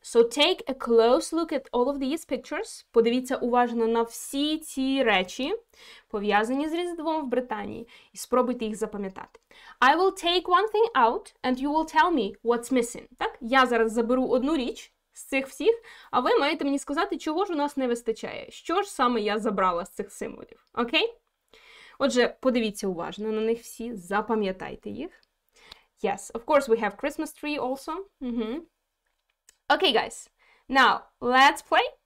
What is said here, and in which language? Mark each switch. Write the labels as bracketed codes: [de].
[en] So take a close look at all of these pictures. [uk] Подивіться уважно на всі ці речі, пов'язані з Різдвом в Британії, і спробуйте їх запам'ятати. [en] I will take one thing out, and you will tell me what's missing. [uk] Так? Я зараз заберу одну річ з цих всіх, а ви маєте мені сказати, чого ж у нас не вистачає. Що ж саме я забрала з цих символів, окей? Отже, подивіться уважно на них всі, запам'ятайте їх. [en] Yes, of course we have Christmas tree also. Mm-hmm. Okay, guys, now let's play.